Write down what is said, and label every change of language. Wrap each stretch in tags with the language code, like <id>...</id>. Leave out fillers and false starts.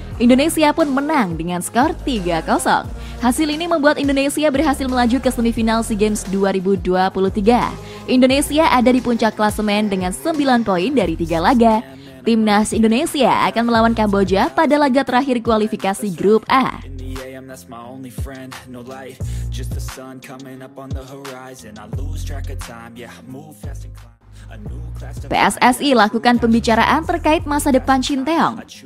<id>Indonesia pun menang dengan skor 3-0. Hasil ini membuat Indonesia berhasil melaju ke semifinal SEA Games 2023. Indonesia ada di puncak klasemen dengan 9 poin dari 3 laga. Timnas Indonesia akan melawan Kamboja pada laga terakhir kualifikasi Grup A.</id> <en>That's my only friend, no light, just the sun coming up on the horizon. I lose track of time, yeah, move fast and climb.</en> <id>PSSI lakukan pembicaraan terkait masa depan Shin Tae-yong.</id>